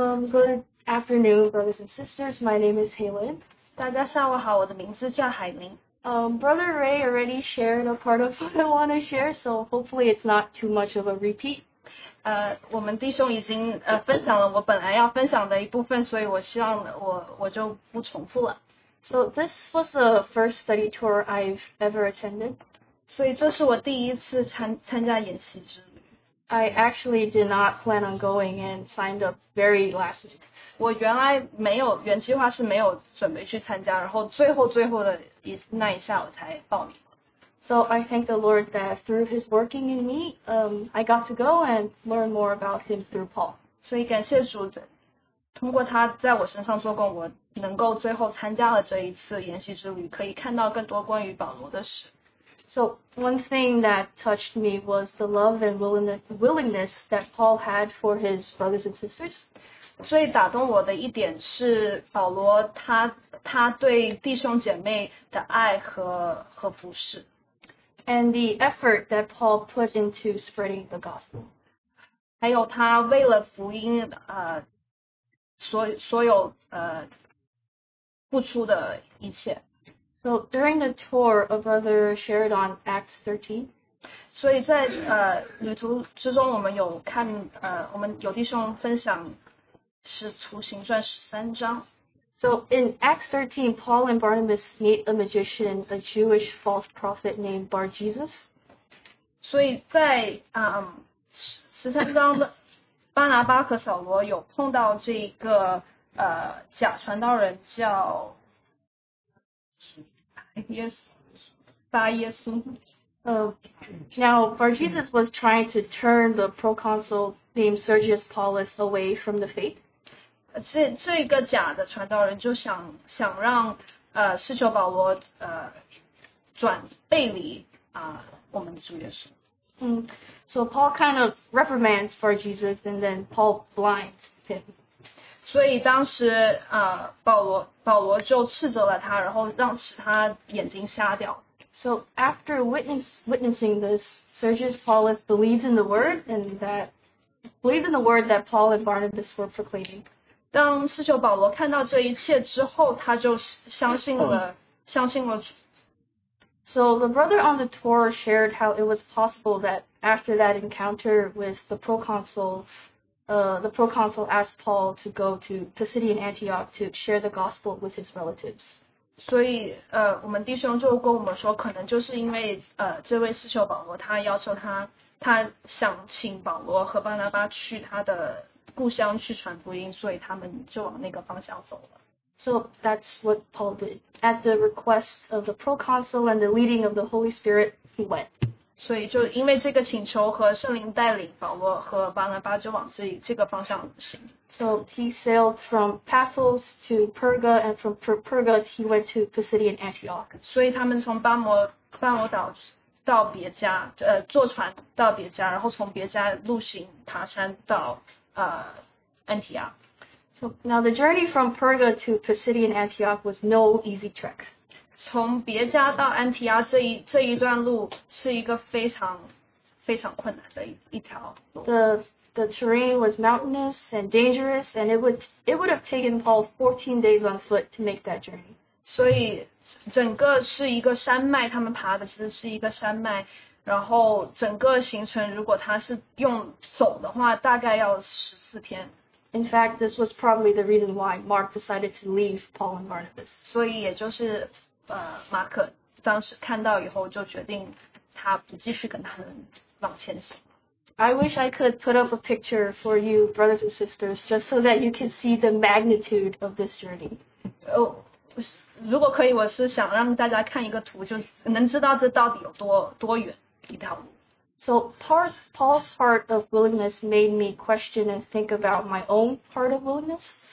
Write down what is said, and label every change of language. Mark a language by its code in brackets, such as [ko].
[en] Good afternoon, brothers and sisters. My name is Haylin. [zh] 大家下午好，我的名字叫海宁。 [en] Brother Ray already shared a part of what I want to share, so hopefully it's not too much of a repeat. [zh] 我们弟兄已经分享了我本来要分享的一部分，所以我希望我就不重复了。 [en] So this was the first study tour I've ever attended. [zh] 所以这是我第一次参加研习之旅。 [en] I actually did not plan on going and signed up very last week. [zh] 我原来没有原计划是没有准备去参加，然后最后的那一下我才报名。 [en] So I thank the Lord that through His working in me, I got to go and learn more about Him through Paul. [zh] 所以感谢主，通过他在我身上做工，我能够最后参加了这一次研习之旅，可以看到更多关于保罗的事。 [en] So one thing that touched me was the love and willingness that Paul had for his brothers and sisters. [zh] 最打动我的一点是保罗他对弟兄姐妹的爱和服侍。 [en] And the effort that Paul put into spreading the gospel. [zh] 还有他为了福音所有付出的一切。 [en] So during the tour, a brother shared on Acts 13. [zh] 所以在旅途之中，我们有看我们有弟兄分享《使徒行传》十三章。 [en] So in Acts 13, Paul and Barnabas meet a magician, a Jewish false prophet named Bar Jesus. [zh] 所以在十三章的巴拿巴和扫罗有碰到这个假传道人叫。 [en] Yes, Bar-Jesus. Now, Bar-Jesus was trying to turn the proconsul named Sergius Paulus away from the faith. [zh] 这个假的传道人就想让使徒保罗转背离我们的主耶稣。 [en] So Paul kind of reprimands Bar-Jesus and then Paul blinds him. [zh] 所以当时保罗就斥责了他，然后让使他眼睛瞎掉。 [en] So after witnessing this, Sergius Paulus believed in the word that Paul and Barnabas were proclaiming. [zh] 当使徒保罗看到这一切之后，他就相信了。 [en] So the brother on the tour shared how it was possible that after that encounter with the proconsul. The proconsul asked Paul to go to Pisidian Antioch to share the gospel with his relatives. [zh] 所以我们弟兄就跟我们说，可能就是因为这位使徒保罗，他要求他想请保罗和巴拿巴去他的故乡去传福音，所以他们就往那个方向走了。 [en] So that's what Paul did. At the request of the proconsul and the leading of the Holy Spirit, he went. [zh] 所以就因为这个请求和圣灵带领，保罗和巴拿巴就往这个方向行。 [en] So he sailed from Paphos to Perga, and from Perga he went to Pisidian Antioch. [zh] 所以他们从巴摩岛到别加，坐船到别加，然后从别加陆行爬山到Antioch. [en] So now the journey from Perga to Pisidian Antioch was no easy trek. [zh] 从别家到安提亚这一段路是一个非常非常困难的一条路。 [en] The terrain was mountainous and dangerous, and it would have taken Paul 14 days on foot to make that journey. [zh] 所以整个是一个山脉，他们爬的其实是一个山脉，然后整个行程如果他是用走的话，大概要14天。 [en] In fact, this was probably the reason why Mark decided to leave Paul and Barnabas. [zh] 所以也就是马可当时看到以后就决定他不继续跟他们往前行。 [en] I wish I could put up a picture for you, brothers and sisters, just so that you can see the magnitude of this journey. [zh] 如果可以，我是想让大家看一个图，就能知道这到底有多远一条路。 [en] So Paul's part of willingness made me question and think about my own part of willingness.